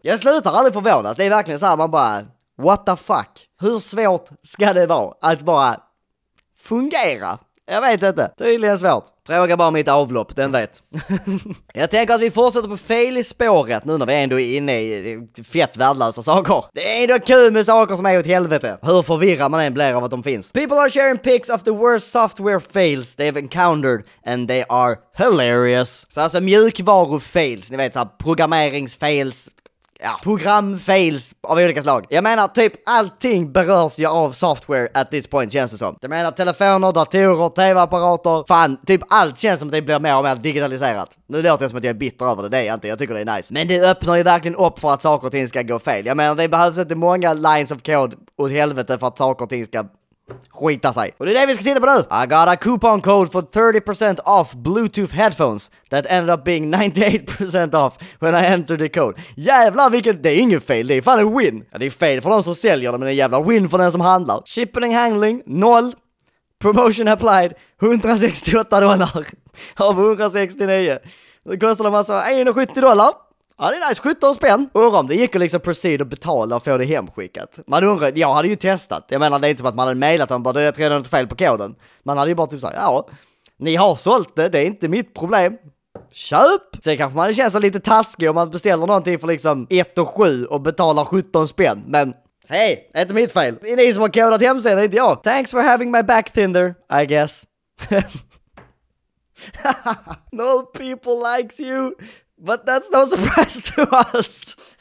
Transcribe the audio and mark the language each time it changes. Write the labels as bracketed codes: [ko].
[sv] Jag slutar aldrig förvånas. Det är verkligen så här, man bara, [en] what the fuck? [sv] Hur svårt ska det vara att bara fungera Jag vet inte. Tydligen svårt. Fråga bara mitt avlopp, den vet. Jag tänker att vi fortsätter på fel spåret nu när vi ändå är inne i fett värdelösa saker. Det är ändå kul med saker som är åt helvete. Hur förvirrad man än blir av att de finns. [en] People are sharing pics of the worst software fails they've encountered and they are hilarious. [sv] Så alltså mjukvarufails, ni vet såhär programmeringsfails. Ja, programfails av olika slag. Jag menar, typ allting berörs ju av [en] software at this point, [sv] känns det som. Jag menar, telefoner, datorer, tv-apparater. Fan, typ allt känns som att det blir mer och mer digitaliserat. Nu låter det som att jag är bitter över det, det är inte, jag tycker det är nice. Men det öppnar ju verkligen upp för att saker och ting ska gå fel. Jag menar, det behövs inte många [en] lines of code [sv] åt helvete för att saker och ting ska skita sig. Och det är det vi ska titta på nu. [en] I got a coupon code for 30% off Bluetooth headphones that ended up being 98% off when I entered the code. [sv] Jävlar vilket, det är ingen fail, det är fan en win. Ja, det är fail för de som säljer dem, men det är jävla win för den som handlar. [en] Shipping and handling, 0. Promotion applied, $168 av 169. [sv] Det kostar de alltså $170. Ja, det är nice, 17 spänn. Undrar om det gick att liksom proceed och betala och få det hemskickat. Man undrar, jag hade ju testat. Jag menar, det är inte som att man hade mejlat dem, bara, jag tror det är något fel på koden. Man hade ju bara typ sagt, ja, ni har sålt det, det är inte mitt problem. Köp! Sen kanske man känns lite taskig om man beställer någonting för liksom 1,7 och betalar 17 spänn. Men, hej, det är inte mitt fel. Det är ni som har kodat hemsidan, inte jag. [en] Thanks for having my back, Tinder, I guess. No people likes you. But that's no surprise to us.